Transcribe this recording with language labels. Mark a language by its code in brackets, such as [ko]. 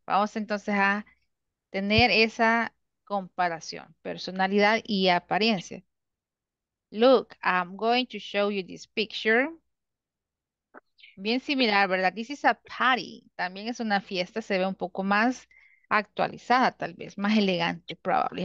[es] Vamos entonces a tener esa comparación, personalidad y apariencia. [en] Look, I'm going to show you this picture. [es] Bien similar, ¿verdad? [en] This is a party. [es] También es una fiesta, se ve un poco más actualizada, tal vez, más elegante, probably.